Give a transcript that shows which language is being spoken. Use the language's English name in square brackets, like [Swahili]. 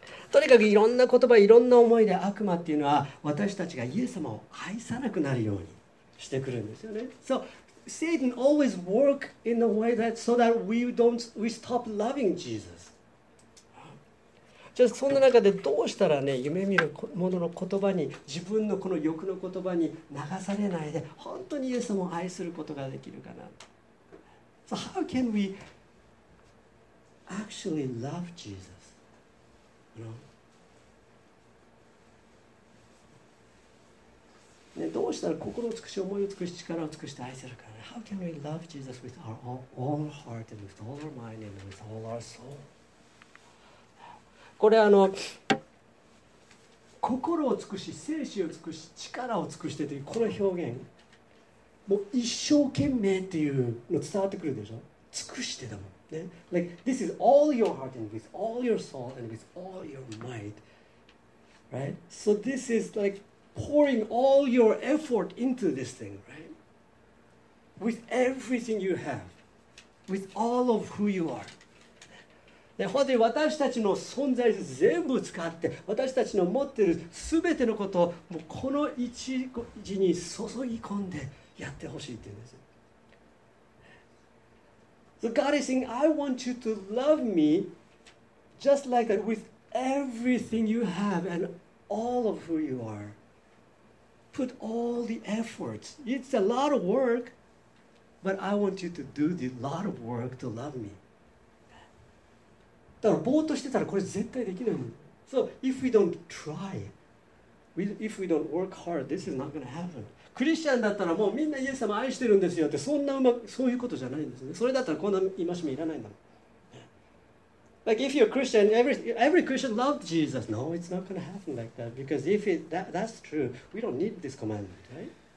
[Japanese] とにかくいろんな言葉、いろんな思いで悪魔っていうのは私たちがイエス様を愛さなくなるようにしてくるんですよね。 [English] So Satan always work in a way that so that we don't we stop loving Jesus. [Japanese] じゃあそんな中でどうしたらね、夢見る者の言葉に、自分のこの欲の言葉に流されないで本当にイエス様を愛することができるかな。 [English] So how can we actually love Jesus? You know?、 [Japanese] ね、どうしたら心を尽くし、思いを尽くし、力を尽くして愛せるかな。 [English] How can we love Jesus with our all heart and with all our mind and with all our soul? [Japanese] これあの心を尽くし、精神を尽くし、力を尽くしてというこの表現、もう一生懸命っていうの伝わってくるでしょ。尽くしてだもんね。 [English] Like this is all your heart and with all your soul and with all your might, right? So this is like pouring all your effort into this thing, right? With everything you have, with all of who you are. [Japanese] で本当に私たちの存在を全部使って、私たちの持っている全てのことをもうこの一時に注ぎ込んでやってほしいって言うんです。 [English] So God is saying, I want you to love me just like that with everything you have and all of who you are. Put all the efforts. It's a lot of work, but I want you to do the lot of work to love me. [Japanese] だからぼーっとしてたらこれ絶対できないもん。 [English] So if we don't try, if we don't work hard, this is not going to happen. [Japanese] クリスチャンだったらもうみんなイエス様愛してるんですよって、そんなうまそういうことじゃないんですね。それだったらこんな戒めいらないんだもん。 [English] Like if you're a Christian, every Christian loved Jesus. No, it's not going to happen like that. Because if that's true, we don't need this commandment, right?